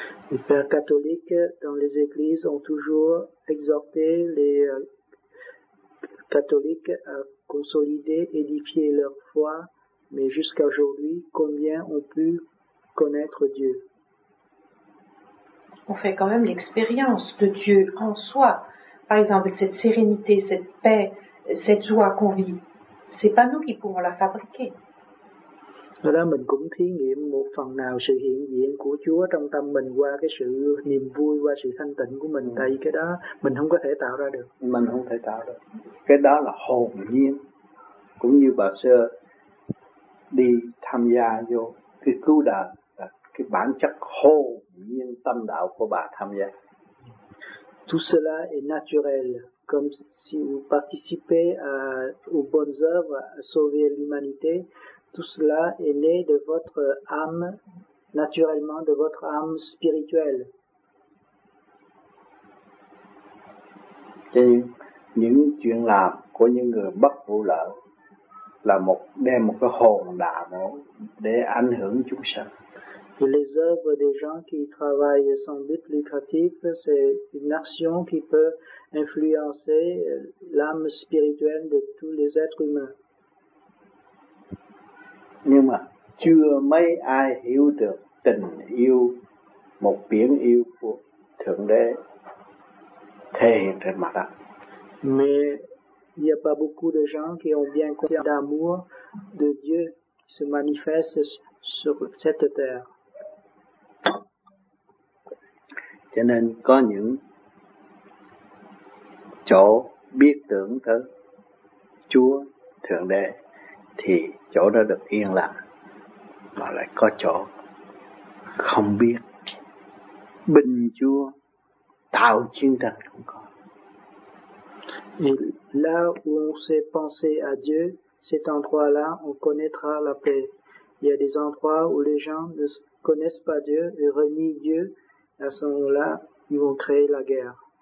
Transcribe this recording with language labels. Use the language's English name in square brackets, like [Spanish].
[French] Les pères catholiques dans les églises ont toujours exhorté les catholiques à consolider, édifier leur foi, mais jusqu'à aujourd'hui, combien ont pu connaître Dieu? On fait quand même l'expérience de Dieu en soi. Par exemple, cette sérénité, cette paix, cette joie qu'on vit, c'est pas nous qui pouvons la fabriquer. [Vietnamese] Do đó mình cũng thí nghiệm một phần nào sự hiện diện của Chúa trong tâm mình qua cái sự niềm vui, qua sự thanh tịnh của mình. Tại cái đó mình không có thể tạo ra được. Mình không thể tạo được. Cái đó là hồn nhiên. Cũng như bà xưa đi tham gia vô cái cứu đạo, cái bản chất hồn nhiên tâm đạo của bà tham gia. [French] Tout cela est naturel, comme si vous participez aux bonnes œuvres, à sauver l'humanité. Tout cela est né de votre âme, naturellement de votre âme spirituelle. [Vietnamese] Cho nên, những chuyện làm của những người bất vụ lợi là một đem một cái hồn đạo để ảnh hưởng chúng sanh. [French] Les œuvres des gens qui travaillent sans but lucratif, c'est une action qui peut influencer l'âme spirituelle de tous les êtres humains. [Vietnamese] Nhưng mà chưa mấy ai hiểu được tình yêu, một biển yêu của Thượng Đế thể hiện trên mặt đất. [French] Mais il n'y a pas beaucoup de gens qui ont bien conscience d'amour de Dieu qui se manifeste sur cette terre. [Vietnamese] Cho nên có những chỗ biết tưởng tới Chúa Thượng Đế thì chỗ đó được yên lặng, mà lại có chỗ không biết bình Chúa tạo chiến tranh cũng có. [French] Et là où on sait penser à Dieu, cet endroit-là, on connaîtra la paix. Il y a des endroits où les gens ne connaissent pas Dieu et renient Dieu. À ce moment-là, ils vont créer la guerre.